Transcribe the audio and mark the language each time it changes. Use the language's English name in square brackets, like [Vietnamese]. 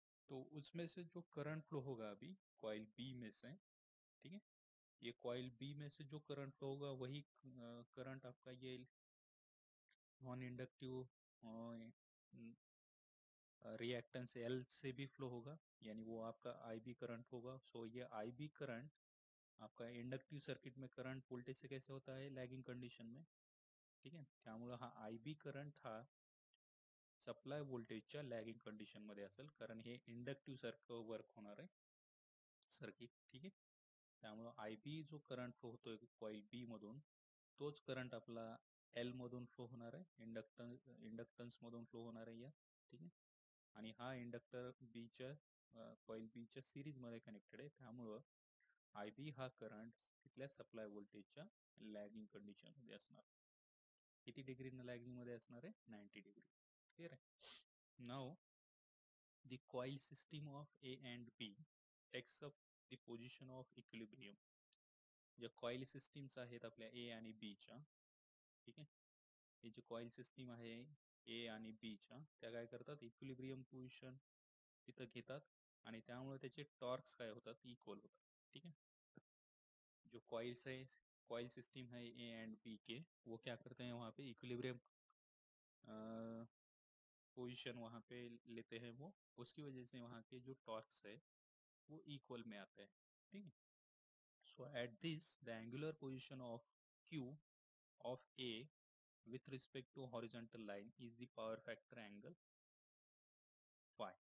[Hindi] तो उसमें से जो करंट फ्लो होगा अभी कॉइल बी में से, ठीक है, ये कॉइल बी में से जो करंट फ्लो होगा वही करंट आपका ये नॉन इंडक्टिव रिएक्टेंस एल से भी फ्लो होगा, यानी वो आपका आई बी करंट होगा. सो ये आई बी करंट आपका इंडक्टिव सर्किट में करंट वोल्टेज से कैसे होता है, लैगिंग कंडीशन में. ठीक है, [Marathi] त्यामुळे हा आई बी करंट हा सप्लाय व्होल्टेजच्या लॅगिंग कंडिशन मध्ये असेल, कारण हे इंडक्टिव्ह सारखं वर्क होणार आहे सर्किट. ठीक आहे, त्यामुळे आय बी जो करंट फ्लो होतोय कॉइल बी मधून तोच करंट आपला एल मधून फ्लो होणार आहे, इंडक्टन्स मधून फ्लो होणार आहे या. ठीक आहे, आणि हा इंडक्टर बीच्या कॉइल बीच्या सिरीज मध्ये कनेक्टेड आहे, त्यामुळं आय बी हा करंट तिथल्या सप्लाय व्होल्टेजच्या लॅगिंग कंडिशन मध्ये असणार. किती डिग्री लॅगिंग मध्ये असणार आहे, 90 डिग्री. क्लियर आहे. [English] Now the coil system of A and B takes up the position of equilibrium. [Marathi] ज्या कॉइल सिस्टीम्स आहेत आपल्या ए आणि बी च्या, ठीक आहे, हे जे कॉइल सिस्टीम आहे ए आणि बी च्या, त्या काय करतात, इक्विलिब्रियम पोझिशन तिथं घेतात आणि त्यामुळे त्याचे टॉर्क्स काय होतात, इक्वल होतात. ठीक आहे, जो कॉइल्स आहे, [Hindi] कॉइल सिस्टीम है ए अँड बी के, वो क्या करते हैं वहां पे इक्विलिब्रियम पोजीशन वहां पे लेते हैं वो, उसकी वजह से वहां के जो टॉर्क्स है वो इक्वल में आते हैं. ठीक है, [English] So at this the angular position of Q of A with respect to horizontal line is the power factor angle phi.